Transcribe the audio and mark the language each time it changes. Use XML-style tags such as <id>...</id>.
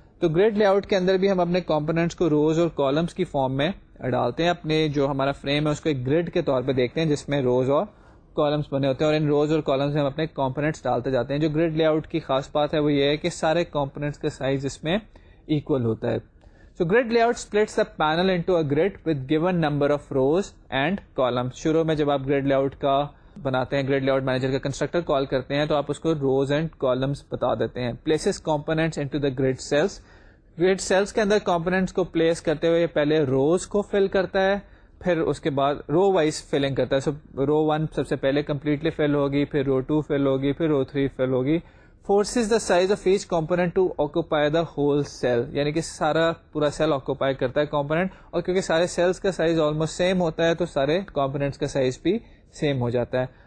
<ur>تو grade lay out کے اندر بھی ہم اپنے کمپوننٹس کو روز اور کالمس کی فارم میں ڈالتے ہیں, اپنے جو ہمارا فریم ہے اس کو ایک گریڈ کے طور پہ دیکھتے ہیں جس میں روز اور کالمس بنے ہوتے ہیں, اور ان روز اور کالمس میں ہم اپنے کمپوننٹس ڈالتے جاتے ہیں. جو گریڈ لے آؤٹ کی خاص بات ہے وہ یہ ہے کہ سارے کمپوننٹس کا سائز اس میں ایکول ہوتا ہے.</ur> <en>So grid layout splits the panel into a grid with given number of rows and columns.</en> <ur>شروع میں جب آپ گریڈ لے آؤٹ کا بناتے ہیں, گریڈ لے آؤٹ مینیجر کا کنسٹرکٹر کال کرتے ہیں, تو آپ اس کو روز اینڈ کالمس بتا دیتے ہیں.</ur> <en>Places components into the grid cells.</en> <ur>Grade sales کے اندر کمپوننٹس کو پلیس کرتے ہوئے پہلے روز کو فل کرتا ہے, پھر اس کے بعد رو وائز فلنگ کرتا ہے. سو رو ون سب سے پہلے کمپلیٹلی فل ہوگی, پھر رو ٹو فل ہوگی, پھر رو تھری فل ہوگی.</ur> <en>forces the size of each component to occupy the whole cell,</en> <ur>یعنی کہ سارا پورا سیل آکوپائی کرتا ہے کمپوننٹ, اور کیونکہ سارے سیلس کا سائز آلموسٹ سیم ہوتا ہے تو سارے کمپوننٹس کا سائز بھی سیم ہو جاتا ہے.</ur>